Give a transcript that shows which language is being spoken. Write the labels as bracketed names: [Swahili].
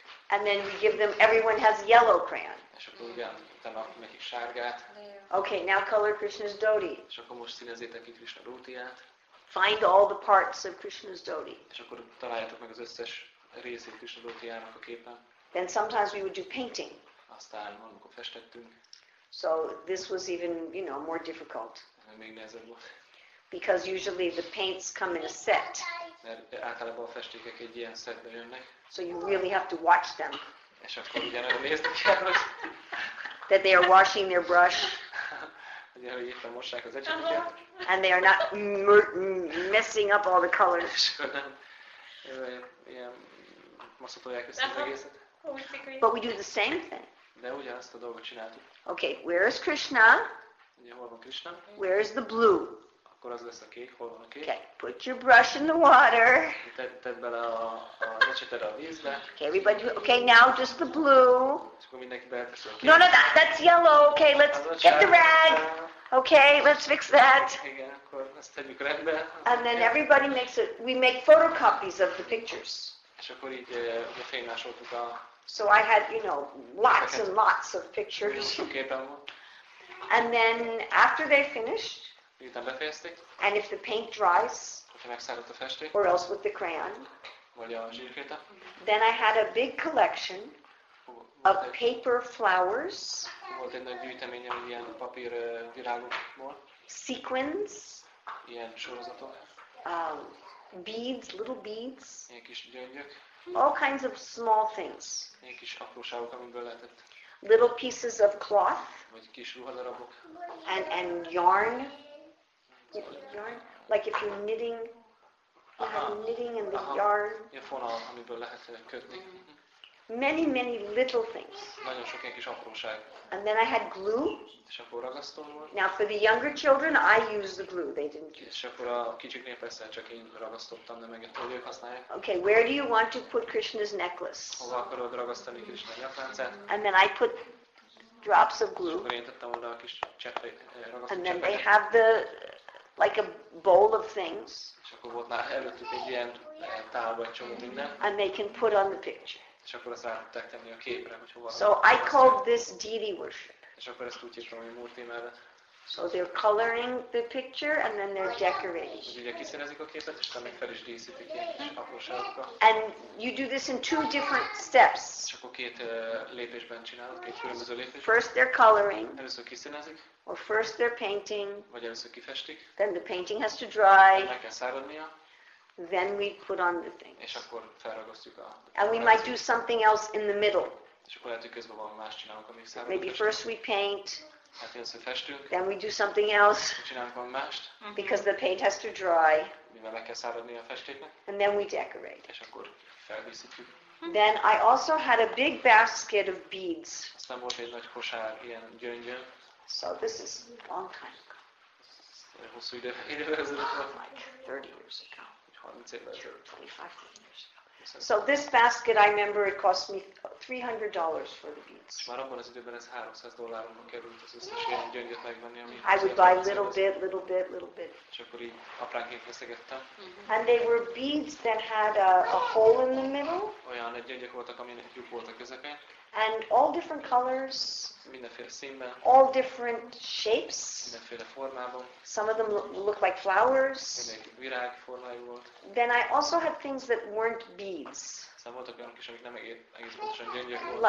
[English] And then we give them, everyone has yellow crayon. [Hungarian] És akkor ugye, utána nekik sárgát. [English] Okay, now color Krishna's dhoti. [Hungarian] És akkor most színezzétek ki Krishna dhotiját. [English] Find all the parts of Krishna's dhoti. [Hungarian] És akkor találjátok meg az összes részét Krishna dhotiának a képen. [English] Then sometimes we would do painting. [Hungarian] Aztán valamikor festettünk. [English] So this was even, you know, more difficult. [Hungarian] Még nehezebb volt. [English] Because usually the paints come in a set. [Hungarian] Mert általában a festékek egy ilyen szettbe jönnek. [English] So you really have to watch them. [Hungarian] És akkor ugyanúgy nézni kell, hogy [English] that they are washing their brush. [Hungarian] Ugyanúgy éppen mossák az ecseteket. [English] And they are not messing up all the colors. [Hungarian] És akkor nem ilyen maszatolják össze az egészet. [English] But we do the same thing. [Hungarian] De ugyanazt a dolgot csináltuk. [English] Okay, where is Krishna? [Hungarian] Ugye hol van Krishna? [English] Where is the blue? [Hungarian] Akkor az lesz a kék, hol van a kék? [English] Okay, put your brush in the water. [Hungarian] Tedd bele a ecseted a vízbe. [English] Okay, everybody, okay, now just the blue. [Hungarian] És akkor mindenki beletesz a kék. [English] No, that's yellow. Okay, let's get the rag. Okay, let's fix that. [Hungarian] Igen, akkor ezt tegyük rendbe. [English] And then everybody makes it, we make photocopies of the pictures. [Hungarian] És akkor így befénymásoltuk a... [English] So I had, you know, lots and lots of pictures. And then after they finished, [Hungarian] miután befejezték. [English] And if the paint dries, [Hungarian] hogyha megszáradt a festék, [English] or else with the crayon, [Hungarian] vagy a zsírkréta, [English] then I had a big collection of paper flowers, [Hungarian] volt egy nagy gyűjteményem ilyen papír virágokból, [English] sequins, [Hungarian] ilyen sorozatok, [English] beads, little beads, [Hungarian] ilyen kis gyöngyök, [English] all kinds of small things, [Hungarian] ilyen kis apróságok, amiből lehetett, [English] little pieces of cloth, [Hungarian] vagy kis ruhadarabok, [English] and yarn. Yarn, like if you're knitting, you have knitting in the yarn. [Hungarian] Ja, fonal, amiből lehet kötni. [English] Many, many little things. [Hungarian] Nagyon sok kis apróság. [English] And then I had glue. [Hungarian] És akkor ragasztó volt. [English] Now for the younger children, I use the glue. They didn't use. [Hungarian] És akkor a kicsiknél persze csak én ragasztottam, de meg a többiek használják. [English] Okay, where do you want to put Krishna's necklace? [Hungarian] Hova akarod ragasztani Krishna nyakláncát? [English] And then I put drops of glue. [Hungarian] És akkor én tettem oda a kis cseppet, ragasztó. [English] And then they have the like a bowl of things. [Hungarian] És akkor volt már előttük egy ilyen tálba, egy csomó minden. [English] And they can put on the picture. [Hungarian] És akkor azt rá tudták tenni a képre, hogy hova. [English] So I called this deity worship. [Hungarian] És akkor ezt úgy hívtam, hogy Murti mellett. [English] So they're coloring the picture and then they're decorating. [Hungarian] Ugye kiszínezik a képet, és utána fel is díszítik ilyen kis apróságokkal. [English] And you do this in two different steps. [Hungarian] És akkor két lépésben csinálod, két különböző lépésben. [English] First they're coloring. [Hungarian] Először kiszínezik. [English] Or first they're painting. [Hungarian] Vagy először kifestik. [English] Then the painting has to dry. [Hungarian] Meg kell száradnia. [English] Then we put on the things. [Hungarian] És akkor felragasztjuk a... [English] And we might do something else in the middle. [Hungarian] És akkor lehet, hogy közben valami más csinálunk, amíg száradunk. [English] Maybe first we paint. [Hungarian] Hát először festünk. [English] Then we do something else. [Hungarian] Csinálunk valami mást. [English] Because the paint has to dry. [Hungarian] Mivel le kell száradni a festéknek. [English] And then we decorate. [Hungarian] És akkor feldíszítjük. [English] Then I also had a big basket of beads. [Hungarian] Aztán volt egy nagy kosár, ilyen gyöngyön. [English] So this is a long time ago. [Hungarian] Hosszú idővel ezelőtt. [English] Like 30 years ago. [Hungarian] 30 évvel ezelőtt. [English] 25 years ago. So this basket, I remember, it cost me $300 for the beads. [Hungarian] Már abban az időben ez 300 dollárba került az összes ilyen gyöngyöt megvenni, ami. [English] I would buy little bit, little bit, little bit. [Hungarian] És akkor így apránként veszegettem. [English] And they were beads that had a hole in the middle. [Hungarian] Olyan egy gyöngyök voltak, aminek lyuk volt a közepén. [English] And all different colors. [Hungarian] Mindenféle színben. [English] All different shapes. [Hungarian] Mindenféle formában. [English] Some of them look like flowers. [Hungarian] Mindenki virág formájú volt. [English] Then I also had things that weren't beads. [Hungarian] Szóval voltak olyanok is, amik nem egész pontosan gyöngyök volt.